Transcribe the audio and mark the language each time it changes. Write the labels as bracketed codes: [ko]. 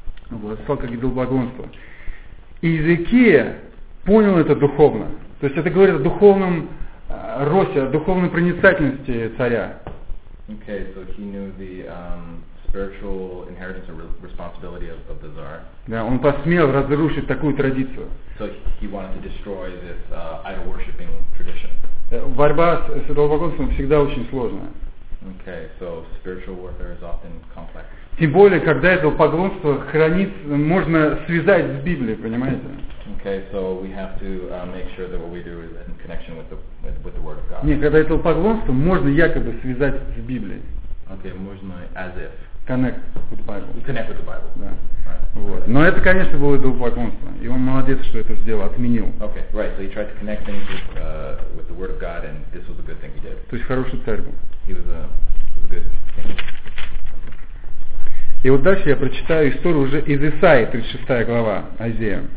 [ru] Вот, стал как идолопоклонство. И Иезекия понял это духовно. То есть это говорит о духовном росте, о духовной проницательности царя. [en] Okay, so he knew the spiritual inheritance or responsibility of the czar. [ru] Да, он посмел разрушить такую традицию. [en] So he wanted to destroy this idol worshiping tradition. [ru] Борьба с идолопоклонством всегда очень сложная. [en] Okay, so spiritual warfare is often complex. [ru] Тем более, когда это поклонство хранить можно связать с Библией, понимаете? [en] Okay, so we have to make sure that what we do is in connection with the Word of God. [ru] Не, когда это поклонство можно якобы связать с Библией. [en] Okay, [ru] можно [en] as if. Connect with the Bible. Connect with the Bible. [ru] Да. Вот. Но это, конечно, было идолопоклонство. И он молодец, что это сделал, отменил. [en] Okay, right. So he tried to connect things with the Word of God, and this was a good thing he did. [ru] То есть хороший царь был. [en] He was a good king. [ru] И вот дальше я прочитаю историю уже из Исаии, 36 глава, Азия.